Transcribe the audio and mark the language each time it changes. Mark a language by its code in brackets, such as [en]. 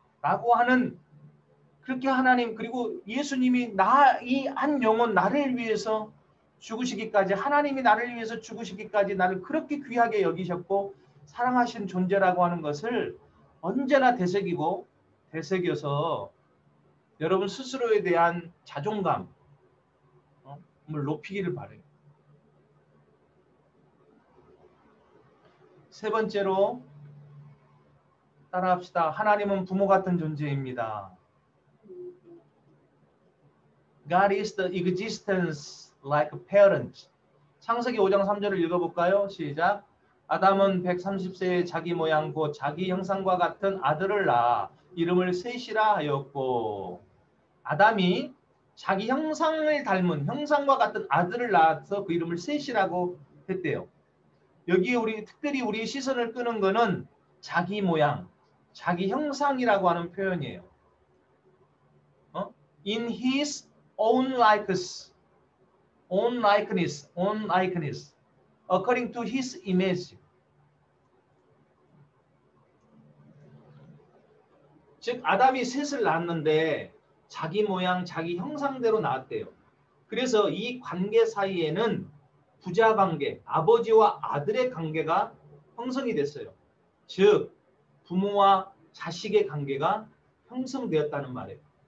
[ko] 라고 하는 그렇게 하나님 그리고 예수님이 나 이 한 영혼 나를 위해서 죽으시기까지 하나님이 나를 위해서 죽으시기까지 나를 그렇게 귀하게 여기셨고 사랑하신 존재라고 하는 것을 언제나 되새기고 되새겨서 여러분 스스로에 대한 자존감을 높이기를 바라요. 세 번째로 따라합시다. 하나님은 부모 같은 존재입니다. [en] God is the existence like a parent. [ko] 창세기 5장 3절을 읽어볼까요? 시작. 아담은 130세에 자기 모양 곧 자기 형상과 같은 아들을 낳아 이름을 셋이라 하였고 아담이 자기 형상을 닮은 형상과 같은 아들을 낳아서 그 이름을 셋이라고 했대요. 여기에 우리 특별히 우리 시선을 끄는 것은 자기 모양, 자기 형상이라고 하는 표현이에요. [en] In his own likeness, own likeness, own likeness, according to his image. [ko] 즉 아담이 셋을 낳았는데 자기 모양, 자기 형상대로 낳았대요. 그래서 이 관계 사이에는 부자 관계, 아버지와 아들의 관계가 형성이 됐어요. 즉, 부모와 자식의 관계가 형성되었다는 말이에요.